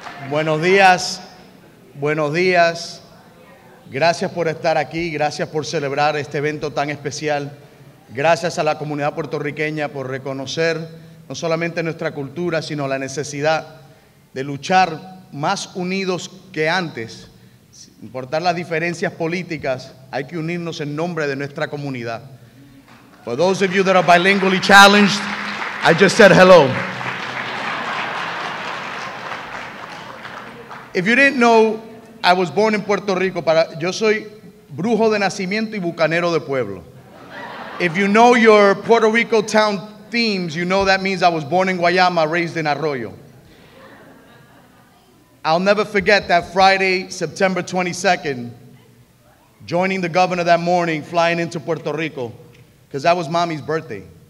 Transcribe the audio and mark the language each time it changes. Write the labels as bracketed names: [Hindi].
[Spanish] Buenos días, gracias por estar aquí, gracias por celebrar este evento tan especial. Gracias a la comunidad puertorriqueña por reconocer no solamente nuestra cultura, sino la necesidad de luchar más unidos que antes. Sin importar las diferencias políticas, hay que unirnos en nombre de nuestra comunidad. [English] For those of you that are bilingually challenged, I just said hello. If you didn't know, I was born in Puerto Rico. [Spanish] Yo soy brujo de nacimiento y bucanero de pueblo. [English] If you know your Puerto Rico town themes, you know that means I was born in Guayama, raised in Arroyo. I'll never forget that Friday, September 22nd, joining the governor that morning, flying into Puerto Rico, because that was mommy's birthday.